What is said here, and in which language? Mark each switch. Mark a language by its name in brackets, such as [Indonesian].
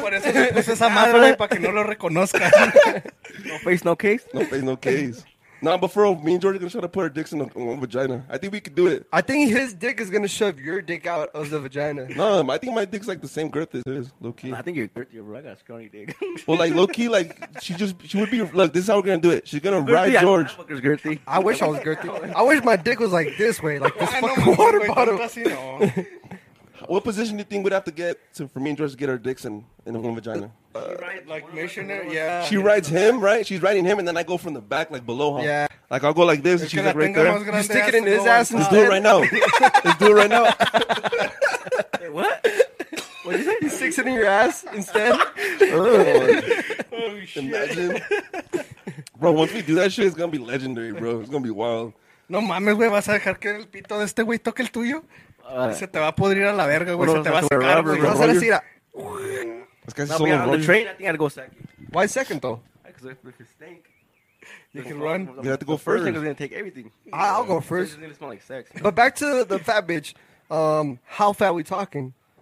[Spanish] Por eso se puso esa madre, güey, para que no lo reconozca. [English] No face, no case. No face, no case. Nah, but for real, me and Jordy are going to try to put our dicks in one vagina. I think we could do it. I think his dick is going to shove your dick out of the vagina. Nah, I think my dick's like the same girth as his, low key. I think you're dirty, bro. I got a scrawny dick. Well, like, low key, like, she would be, look, this is how we're going to do it. She's going to ride George. I wish I was girthy. I wish my dick was like this way, like this fucking water bottle. What position do you think we'd have to get for me and George to get our dicks in one vagina? Like missionary, yeah. She rides him, right? She's riding him, and then I go from the back, like below him. Yeah. Like I'll go like this, and she's like right there. You stick it in his ass. Let's do it right now. Let's do it right now. Wait, what? What did you say? He sticks it in your ass instead. Oh shit! Imagine, bro. Once we do that shit, it's gonna be legendary, bro. It's gonna be wild. [Spanish] No mames, güey. Vas a dejar que el pito de este güey toque el tuyo? Se te va a pudrir a la verga, güey. Se te va a secar, güey. Vas a decir a... Es que no, [English] on the train, I think I'd go second. Why second, though? Because if it stink... You can run. You have to go the first. First thing is going to take everything. I'll go first. It's going to smell like sex. But back to the fat bitch. How fat are we talking?